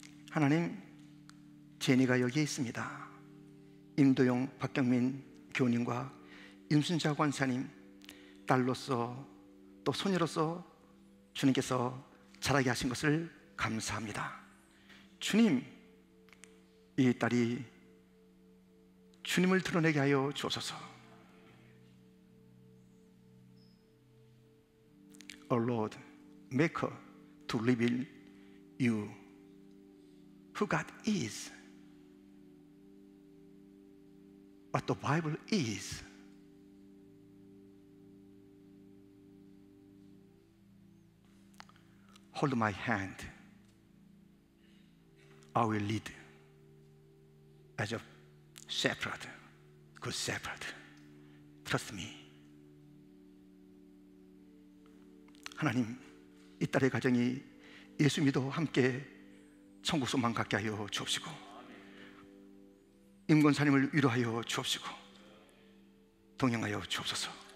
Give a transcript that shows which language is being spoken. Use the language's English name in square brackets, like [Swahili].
[Korean] 하나님, 제니가 여기에 있습니다. 임도용, 박경민 교우님과 임순자 권사님, 딸로서 또 손녀로서 주님께서 자라게 하신 것을 감사합니다. 주님, 이 딸이 주님을 드러내게 하여 주소서. [English] O Lord, make her to reveal you who God is, what the Bible is, hold my hand, I will lead as a shepherd, good shepherd, trust me. [Korean] 하나님, 이 딸의 가정이 예수 믿어 함께 천국 소망 갖게 하여 주옵시고, 임권사님을 위로하여 주옵시고, 동행하여 주옵소서.